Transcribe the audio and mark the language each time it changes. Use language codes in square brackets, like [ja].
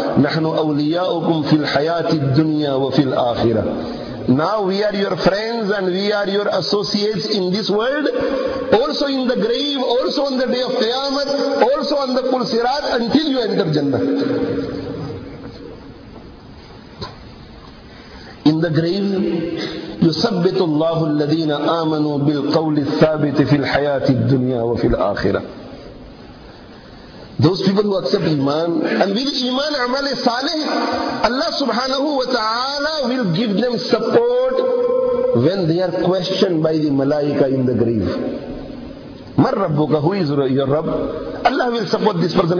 [ar] نَحْنُ أَوْلِيَاؤُكُمْ فِي الْحَيَاةِ الدُّنْيَا وَفِي الْآخِرَةِ. [en] Now we are your friends and we are your associates in this world, also in the grave, also on the day of Qiyamah, also on the Kursirat, until you enter Jannah. In the grave, [ar] يُثَبِّتُ اللَّهُ الَّذِينَ آمَنُوا بِالْقَوْلِ الثَّابِتِ فِي الْحَيَاةِ الدُّنْيَا وَفِي الْآخِرَةِ. [en] Those people who accept Iman, and with Iman, عَمَلِ صَالِحِ, Allah subhanahu wa ta'ala will give them support when they are questioned by the malaika in the grave. [ar] مَنْ رَبُّكَ, [en] who is your Rabb? Allah will support this person.